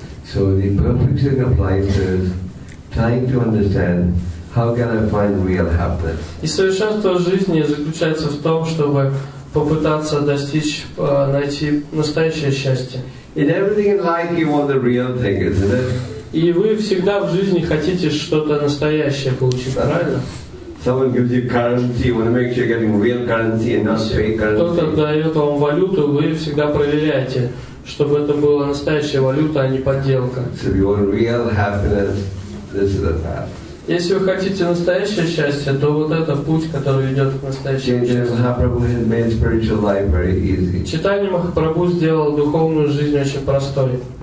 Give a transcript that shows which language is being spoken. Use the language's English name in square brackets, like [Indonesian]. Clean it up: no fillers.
[English] So the perfect thing applies is trying to understand how can I find real happiness. [Russian] И совершенство жизни заключается в том, чтобы попытаться достичь, найти настоящее счастье. [English] In everything in life you want the real thing, isn't it? [Russian] И вы всегда в жизни хотите что-то настоящее получить, правильно? [English] Someone gives you currency, you want to make sure you're getting real currency and not fake currency. [Russian] Кто-то дает вам валюту, вы всегда проверяете, чтобы это была настоящая валюта, а не подделка. [English] So if you want real happiness, this is the path. [Russian] Если вы хотите настоящее счастье, то вот это путь, который ведет к настоящему счастью. Чайтанья Махапрабху сделал духовную жизнь очень простой.